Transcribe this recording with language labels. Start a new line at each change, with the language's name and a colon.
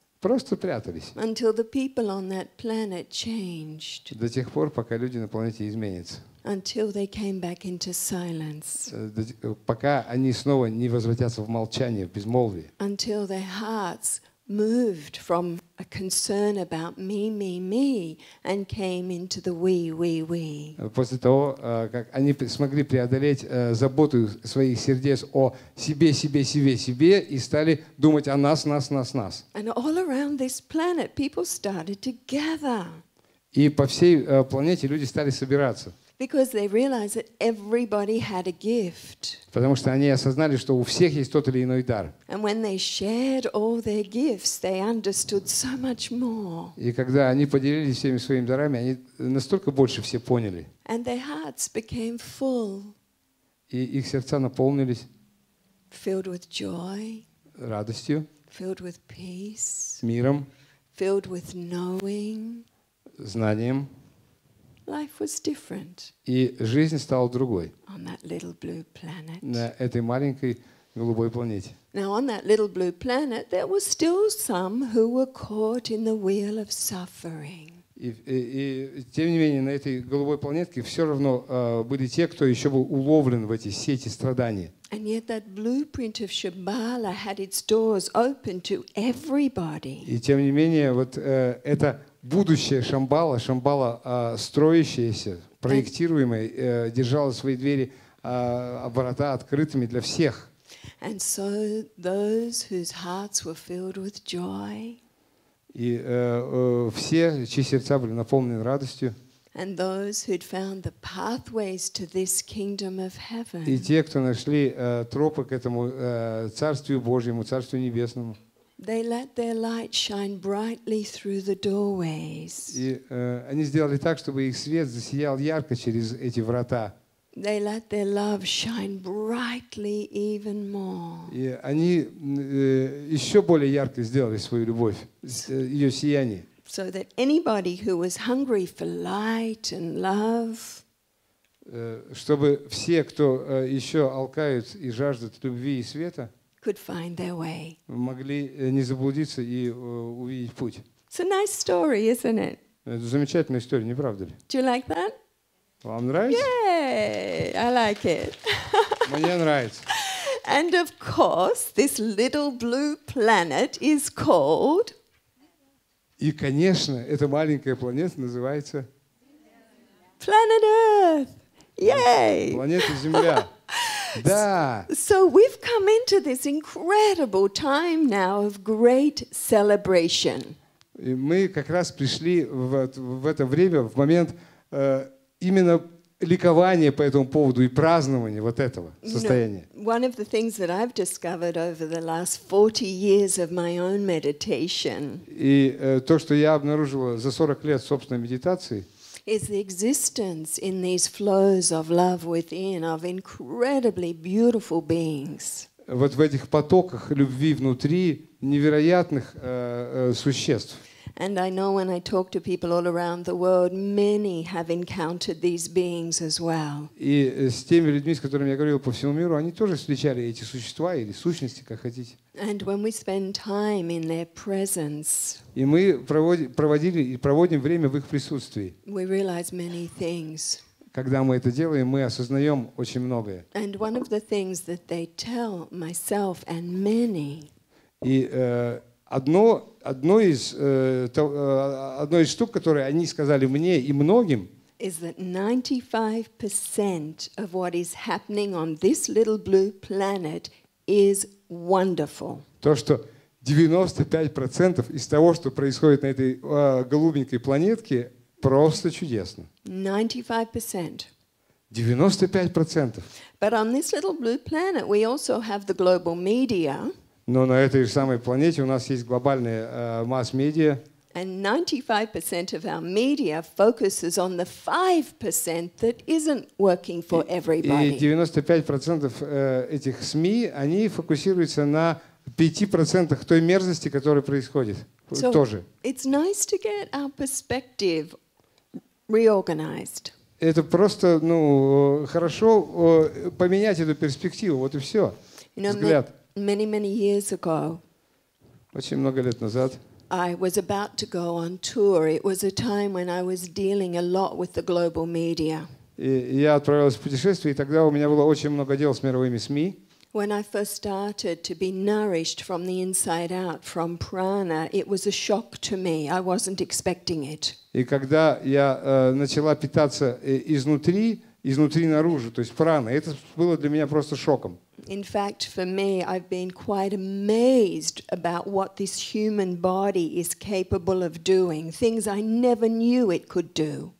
Russian: Просто прятались.
English: Until the people on that planet changed.
Russian: До тех пор, пока люди на планете изменятся.
English: Until they came back into silence.
Russian: Пока они снова не возвратятся в молчание, в безмолвие.
English: Until their hearts moved from a concern about me, me, me, and came into the we, we, we.
Russian: После того, как они смогли преодолеть заботу своих сердец о себе, себе, себе, себе, и стали думать о нас, нас, нас, нас.
English: And all around this planet, people started to gather.
Russian: И по всей планете люди стали собираться.
English: Because they realized that everybody had a gift.
Russian: Потому что они осознали, что у всех есть тот или иной дар.
English: And when they shared all their gifts, they understood so much more.
Russian: И когда они поделились всеми своими дарами, они настолько больше все поняли.
English: And their hearts became full.
Russian: И их сердца наполнились.
English: Filled with joy.
Russian: Радостью.
English: Filled with peace.
Russian: Миром.
English: Filled with knowing.
Russian: Знанием.
English: Life was different.
Russian: И жизнь стала другой.
English: On that little blue planet.
Russian: На этой маленькой голубой планете.
English: Now on that little blue planet, there were still some who were caught in the wheel of suffering.
Russian: И тем не менее на этой голубой планетке все равно были те, кто еще был уловлен в эти сети страданий.
English: And yet that blueprint of Shambhala had its doors open to everybody.
Russian: И тем не менее вот это будущее Шамбала, Шамбала строящаяся, проектируемая, держала свои двери, ворота открытыми для всех.
English: And so those whose hearts were filled with joy,
Russian: и все, чьи сердца были наполнены радостью,
English: and those who'd found the pathways to this kingdom of heaven,
Russian: и те, кто нашли тропы к этому Царствию Божьему, Царствию Небесному,
English: they let their light shine brightly through the doorways.
Russian: И они сделали так, чтобы их свет засиял ярко через эти врата.
English: They let their love shine brightly even more.
Russian: И они еще более ярко сделали свою любовь, ее сияние.
English: So that anybody who was hungry for light and love,
Russian: чтобы все, кто еще алкают и жаждут любви и света,
English: could find their way.
Russian: Могли не заблудиться и увидеть путь.
English: It's a nice story, isn't it?
Russian: Это замечательная история, не правда ли?
English: Do you like that?
Russian: Вам нравится?
English: Yay! I like it.
Russian: Мне нравится.
English: And of course, this little blue planet is called.
Russian: И конечно, эта маленькая планета называется.
English: Planet Earth. Yay!
Russian: Планета Земля. Да.
English: So we've come into this incredible time now of great celebration.
Russian: И мы как раз пришли в это время, в момент именно ликования по этому поводу и празднования вот этого состояния.
English: You know, one of the things that I've discovered over the last 40 years of my own meditation.
Russian: И то, что я обнаружила за 40 лет собственной медитации.
English: Is the existence in these flows of love within of incredibly beautiful beings?
Russian: Вот в этих потоках любви внутри невероятных существ.
English: And I know when I talk to people all around the world, many have encountered these beings as well.
Russian: И с теми людьми, с которыми я говорил по всему миру, они тоже встречали эти существа или сущности, как хотите.
English: And when we spend time in their presence,
Russian: и мы проводили и проводим время в их присутствии,
English: we realize many things.
Russian: Когда мы это делаем, мы осознаем очень многое.
English: And one of the things that they tell myself and many.
Russian: И одно из штук, которые они сказали мне и многим,
English: is that 95% of what is happening on this little blue planet is wonderful.
Russian: То, что 95% из того, что происходит на этой голубенькой планетке, просто чудесно.
English: 95%.
Russian: 95%.
English: But on this little blue planet we also have the global media.
Russian: Но на этой же самой планете у нас есть глобальные масс-медиа.
English: And 95% of our media focuses on the 5% that isn't working for everybody.
Russian: И 95% этих СМИ, они фокусируются на 5% той мерзости, которая происходит.
English: So
Russian: тоже.
English: It's nice to get our perspective reorganized.
Russian: Это просто, ну, хорошо поменять эту перспективу, вот и все.
English: You know,
Russian: взгляд.
English: Many, many years ago.
Russian: Очень много лет назад.
English: I was about to go on tour. It was a time when I was dealing a lot with the global media.
Russian: И я отправилась в путешествие, и тогда у меня было очень много дел с мировыми СМИ.
English: When I first started to be nourished from the inside out, from prana, it was a shock to me. I wasn't expecting it.
Russian: И когда я начала питаться изнутри, изнутри наружу, то есть праной, это было для меня просто шоком.
English: In fact, for me, I've been quite amazed about what this human body is capable of doing, things I never knew it could do.